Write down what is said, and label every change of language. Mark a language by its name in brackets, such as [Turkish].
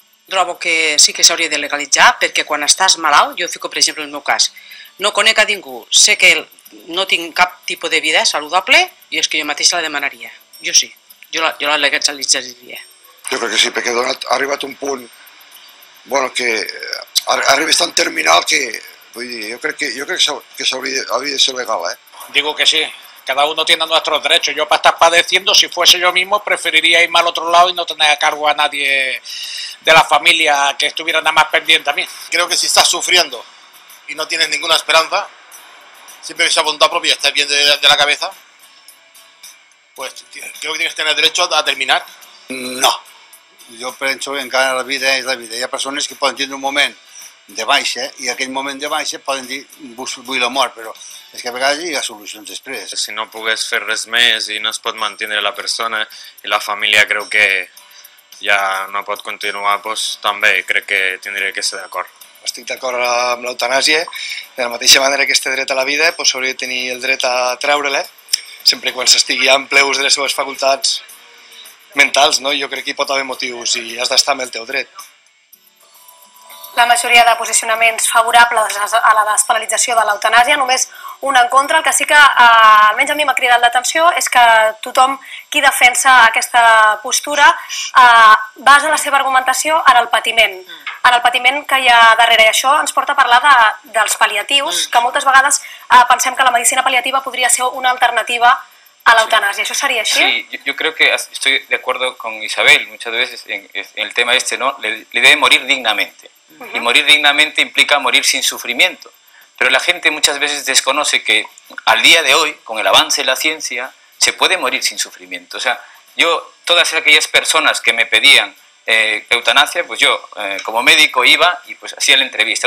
[Catalan] Trobo que sí que s'hauria de legalitzar, perquè quan estàs malalt, jo fico, per exemple, el meu cas, no conec a ningú, sé que no tinc cap tipus de vida saludable i és que jo mateix la demanaria. Jo sí, jo la legalitzaria. Jo crec que sí, perquè ha arribat un punt, bueno, que ha arribat tan terminal que, vull dir, jo crec que s'hauria de ser legal, eh? [Spanish] Digo que sí, cada uno tiene nuestros derechos. Yo para estar padeciendo, si fuese yo mismo, preferiría irme al otro lado y no tener a cargo a nadie de la familia que estuviera nada más pendiente a mí. Creo que si estás sufriendo y no tienes ninguna esperanza, siempre que sea voluntad propia, estés bien de la cabeza, pues creo que tienes que tener derecho a terminar. No. Yo pienso que [Catalan] encara [Spanish] la vida es la vida. Hay personas que pueden tener un momento de [Catalan] baixa [Spanish] y aquel momento de baixa pueden decir, [Catalan] vull la mort, [Spanish] pero es que [Catalan] a vegades hi ha solucions després. Si no pogués fer res més i no es pot mantenir la persona i la família creu que ja no pot continuar, doncs també crec que hauria de ser d'acord. Estic d'acord amb l'eutanàsia, de la mateixa manera que este dret a la vida, doncs hauria de tenir el dret a treure-la, sempre quan s'estigui en pleus de les seves facultats mentals, no? Jo crec que hi pot haver motius i has d'estar amb el teu dret. La majoria de posicionaments favorables a la despenalització de l'eutanàsia, només un en contra. El que sí que, almenys a mi m'ha cridat l'atenció, és que tothom qui defensa aquesta postura basa la seva argumentació en el patiment. En el patiment que hi ha darrere. I això ens porta a parlar dels pal·liatius, que moltes vegades pensem que la medicina pal·liativa podria ser una alternativa a l'eutanàsia. Això seria així? Sí, jo crec que estic d'acord amb Isabel, moltes vegades en el tema este, li deia [Spanish] morir dignamente. Y morir dignamente implica morir sin sufrimiento, pero la gente muchas veces desconoce que al día de hoy, con el avance de la ciencia, se puede morir sin sufrimiento. O sea, yo, todas aquellas personas que me pedían eutanasia, pues yo, como médico, iba y pues hacía la entrevista.